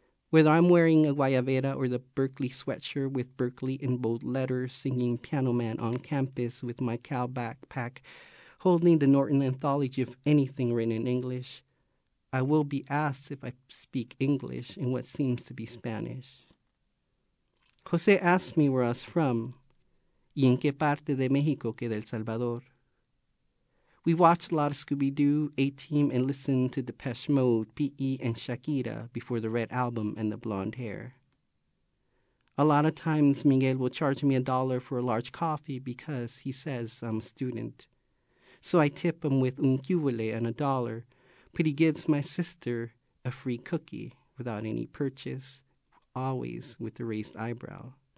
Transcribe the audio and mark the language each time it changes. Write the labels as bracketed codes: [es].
[en] Whether I'm wearing a guayabera or the Berkeley sweatshirt with Berkeley in bold letters, singing Piano Man on campus with my Cal backpack, holding the Norton Anthology of anything written in English, I will be asked if I speak English in what seems to be Spanish. Jose asked me where I was from. [es] ¿Y en qué parte de México que del Salvador? [en] We watched a lot of Scooby-Doo, A-Team, and listened to Depeche Mode, P.E., and Shakira before the Red Album and the blonde hair. A lot of times, Miguel will charge me $1 for a large coffee because he says I'm a student. So I tip him with un cuvole and $1, but he gives my sister a free cookie without any purchase, always with a raised eyebrow.